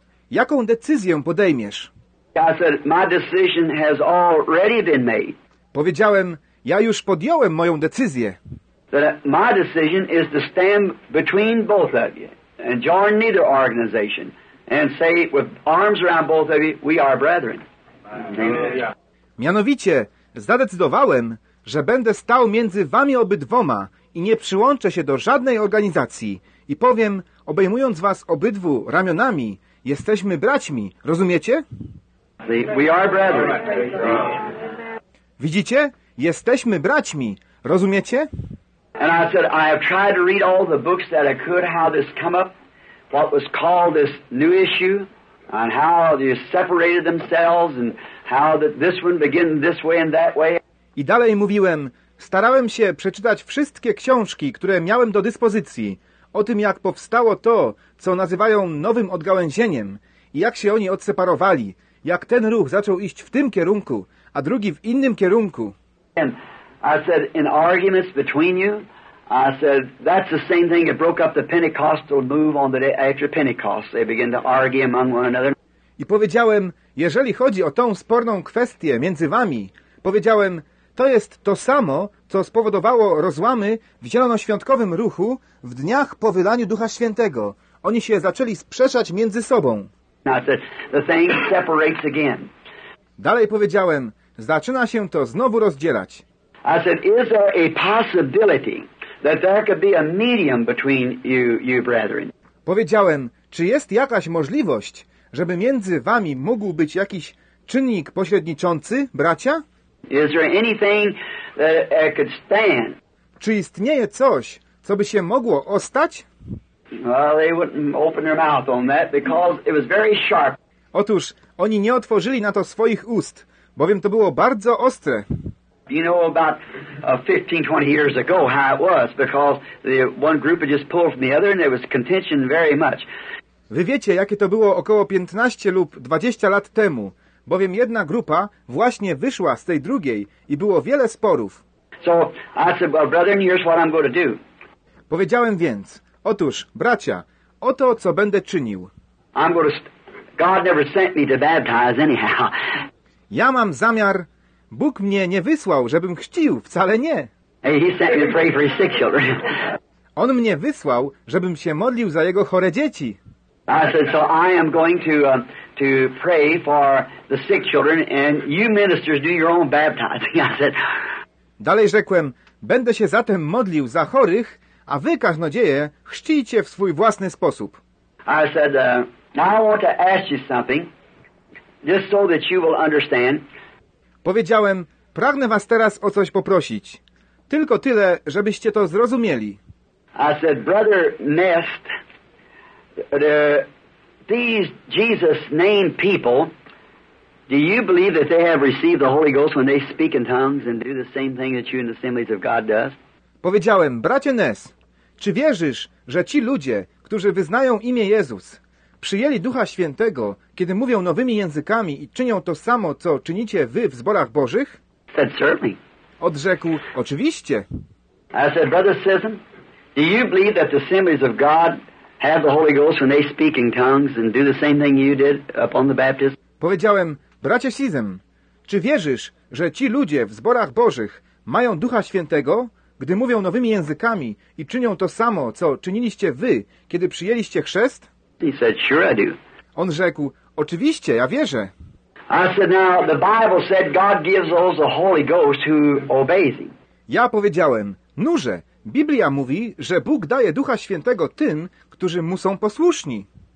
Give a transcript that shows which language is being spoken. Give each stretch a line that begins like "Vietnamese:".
Polish: Jaką decyzję podejmiesz?
English: I said, my decision has already been made.
Polish: Powiedziałem, ja już podjąłem moją decyzję.
English: That my decision is to stand between both of you and join neither organization and say with arms around both of you, we are brethren. Amen.
Polish: Mianowicie, zadecydowałem, że będę stał między wami obydwoma i nie przyłączę się do żadnej organizacji. I powiem, obejmując was obydwu ramionami, jesteśmy braćmi, rozumiecie?
English: We are brethren.
Polish: Widzicie? Jesteśmy braćmi, rozumiecie?
English: And I said, I have tried to read all the books that I could, how this come up, what was called this new issue, and how they separated themselves, and how that this one began this way and that way.
Polish: I dalej mówiłem, starałem się przeczytać wszystkie książki, które miałem do dyspozycji, o tym, jak powstało to, co nazywają nowym odgałęzieniem i jak się oni odseparowali, jak ten ruch zaczął iść w tym kierunku, a drugi w innym kierunku.
English: And I said, in arguments between you, I said, that's the same thing that broke up the Pentecostal move on the day after Pentecost. They began to argue among one another.
Polish: I powiedziałem, jeżeli chodzi o tą sporną kwestię między wami, powiedziałem, to jest to samo, co spowodowało rozłamy w zielonoświątkowym ruchu w dniach po wylaniu Ducha Świętego. Oni się zaczęli sprzeczać między sobą.
English: I said, the thing separates again.
Polish: Dalej powiedziałem, zaczyna się to znowu rozdzielać.
English: I said, is there a possibility that there could be a medium between you brethren?
Polish: Powiedziałem, czy jest jakaś możliwość, żeby między wami mógł być jakiś czynnik pośredniczący, bracia?
English: Is there anything that could stand?
Polish: Czy istnieje coś, co by się mogło ostać?
English: Well, they wouldn't open their mouth on that because it was very sharp.
Polish: Otóż oni nie otworzyli na to swoich ust, bowiem to było bardzo ostre.
English: You know about 15-20 years ago how it was because the one group had just pulled from the other and there was contention very much.
Polish: Wy wiecie, jakie to było około 15 lub 20 lat temu, bowiem jedna grupa właśnie wyszła z tej drugiej i było wiele sporów.
English: So I said, well, brethren, here's what I'm going to do.
Polish: Powiedziałem więc, otóż, bracia, oto co będę czynił.
English: I'm going to God never sent me to baptize anyhow.
Polish: Ja mam zamiar, Bóg mnie nie wysłał, żebym chrzcił, wcale nie.
English: Hey, he sent me to pray for his sick children.
Polish: On mnie wysłał, żebym się modlił za jego chore dzieci.
English: I said, so I am going to pray for the sick children and you ministers do your own baptizing. I said.
Polish: Dalej rzekłem, będę się zatem modlił za chorych, a wy, kaznodzieje, chrzcijcie w swój własny sposób.
English: I said, now I want to ask you something, just so that you will understand.
Polish: Powiedziałem, pragnę was teraz o coś poprosić. tylko tyle, żebyście to zrozumieli.
English: I said, brother Nest, these Jesus named people, do you believe that they have received the Holy Ghost when they speak in tongues and do the same thing that you in the assemblies of God does?
Polish: Powiedziałem, bracie Nest, czy wierzysz, że ci ludzie, którzy wyznają imię Jezus, przyjęli Ducha Świętego, kiedy mówią nowymi językami i czynią to samo, co czynicie wy w zborach Bożych?
English: Said, certainly.
Polish: Odrzekł, oczywiście.
English: I said, brother Sisson, do you believe that the assemblies of God have the Holy Ghost when they speak in tongues and do the same thing you did upon the baptism?
Polish: Powiedziałem, bracie Sisson, czy wierzysz, że ci ludzie w zborach Bożych mają Ducha Świętego, gdy mówią nowymi językami i czynią to samo, co czyniliście wy, kiedy przyjęliście chrzest?
English: He said, sure I do.
Polish: On rzekł, oczywiście, ja wierzę.
English: I said, now the Bible said God gives those the Holy Ghost who obeys him.
Polish: Ja powiedziałem, nuże, Biblia mówi, że Bóg daje Ducha Świętego tym, którzy mu są posłuszni.